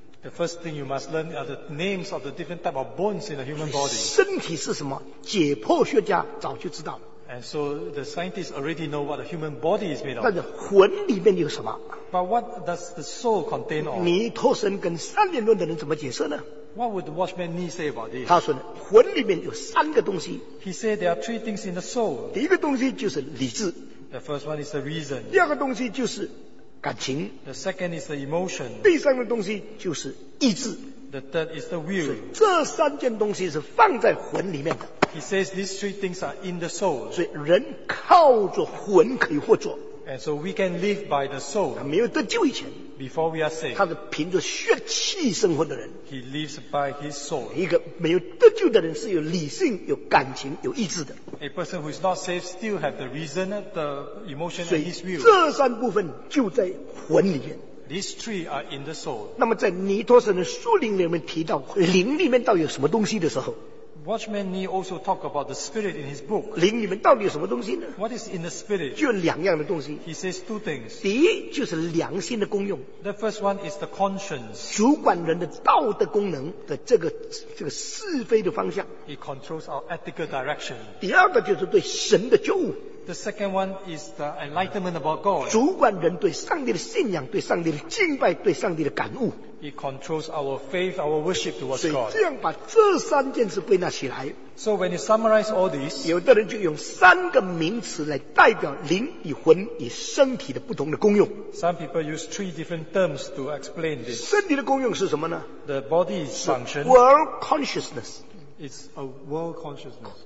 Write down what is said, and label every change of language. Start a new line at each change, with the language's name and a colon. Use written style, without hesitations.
English: The first thing you must learn are the names of the different type of bones in the human body.
Chinese: 身体是什么？解剖学家早就知道了。
English: And so the scientists already know what the human body is made of.
Chinese: 但是魂里面有什么
English: ？But what does the soul contain of?
Chinese: 尼托神跟三元论的人怎么解释呢
English: ？What would the watchman Nee say about this?
Chinese: 他说魂里面有三个东西。
English: He said there are three things in the soul.
Chinese: 第一个东西就是理智。
English: The first one is the reason.
Chinese: 第二个东西就是感情。
English: The second is the emotion.
Chinese: 第三个东西就是意志。
English: The third is the will.
Chinese: 这三件东西是放在魂里面的。
English: He says these three things are in the soul.
Chinese: 所以人靠着魂可以活着。
English: And so we can live by the soul.
Chinese: 他没有得救以前。
English: Before we are saved.
Chinese: 他是凭着血气生活的人。
English: He lives by his soul.
Chinese: 一个没有得救的人是有理性、有感情、有意志的。
English: A person who is not saved still have the reason, the emotion, and his will.
Chinese: 这三部分就在魂里面。
English: These three are in the soul.
Chinese: 那么在尼托神的书灵里面提到灵里面到底有什么东西的时候
English: ，Watchman Nee also talk about the spirit in his book.
Chinese: 灵里面到底有什么东西呢
English: ？What is in the spirit?
Chinese: 就两样的东西。
English: He says two things.
Chinese: 第一就是良心的功用。
English: The first one is the conscience.
Chinese: 主管人的道德功能的这个是非的方向。
English: It controls our ethical direction.
Chinese: 第二个就是对神的救恩。
English: The second one is the enlightenment about God.
Chinese: 主管人对上帝的信仰、对上帝的敬拜、对上帝的感悟。
English: It controls our faith, our worship towards God.
Chinese: 所以这样把这三件事归纳起来,
English: so when you summarize all this,
Chinese: 有的人就用三个名词来代表灵与魂与身体的不同的功用。
English: Some people use three different terms to explain this.
Chinese: 身体的功用是什么呢?
English: The body's function. World consciousness. It's a world consciousness.